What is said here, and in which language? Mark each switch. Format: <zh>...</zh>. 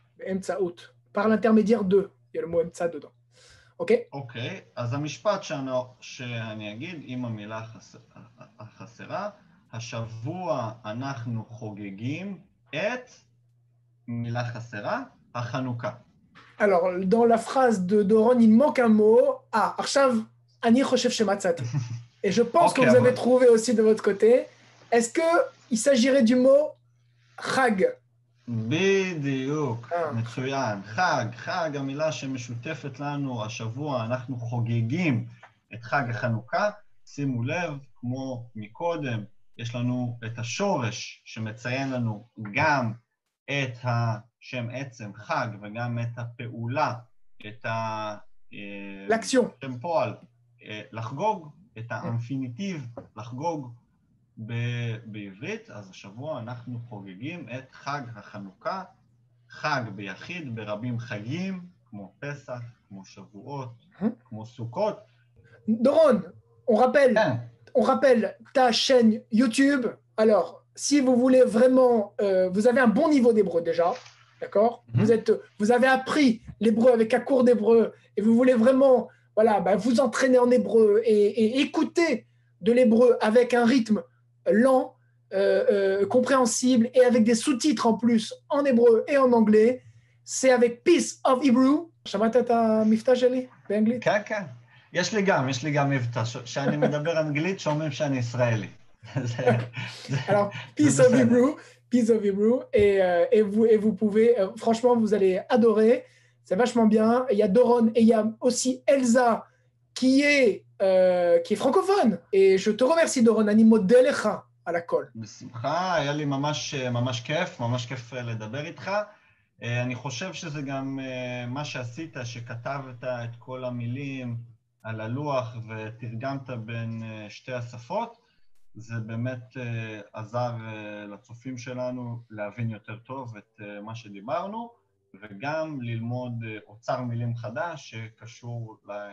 <he>אמצעות,</he> <fr>par l'intermédiaire de,</fr> <he>יהיה לו אמצע dedans. אוקיי? אוקיי, אז המשפט שאני אגיד עם המילה החסרה, השבוע אנחנו חוגגים את מילה חסרה, החנוכה.</he> <fr>Alors, dans la phrase de Doron, il manque un mot.</fr> <he>עכשיו אני חושב שמצאתי.</he> <fr>Et je pense que vous avez trouvé aussi de votre côté. Est-ce que il s'agirait du mot חג?</fr> <he>בדיוק, מצוין. חג, המילה שמשותפת לנו השבוע, אנחנו חוגגים את חג החנוכה. שימו לב, כמו מקודם, יש לנו את השורש שמציין לנו גם את השם עצם חג וגם את הפעולה, את</he> <fr>לאקשן,</fr> <he>שם פועל, לחגוג, את האינפיניטיב, לחגוג בעברית, אז השבוע אנחנו חוגגים את חג החנוכה, חג ביחיד, ברבים חגים, כמו פסח, כמו שבועות, כמו סוכות.</he> <fr>דורון, on rappelle, on rappelle ta chaîne YouTube. Alors, si vous voulez vraiment, vous avez un bon niveau d'hébreu déjà, d'accord? Vous avez appris l'hébreu avec un cours d'hébreu et vous voulez vraiment, voilà, bah, vous entraîner en hébreu et écouter de l'hébreu avec un rythme lent, compréhensible et avec des sous-titres en plus en hébreu et en anglais, c'est avec Peace of Hebrew.</fr> <he>שמעת את המבטא שלי באנגלית? כן, כן. יש לי גם מבטא, שאני מדבר אנגלית, שאומרים שאני ישראלי.</he> <fr>Alors, Peace of Hebrew, Peace of Hebrew, et vous pouvez, franchement, vous allez adorer, c'est vachement bien. Il y a Doron et il y a aussi Elsa qui est francophone. Et je te remercie, Doron.</fr> <he>Ani modé lecha</he> <fr>à la colle.</fr> <he>בשמחה, היה לי ממש, ממש כיף, ממש כיף לדבר איתך. אני חושב שזה גם מה שעשית, שכתבת את כל המילים על הלוח ותרגמת בין שתי השפות. זה באמת עזר לצופים שלנו להבין יותר טוב את מה שדיברנו, וגם ללמוד אוצר מילים חדש שקשור ל...</he>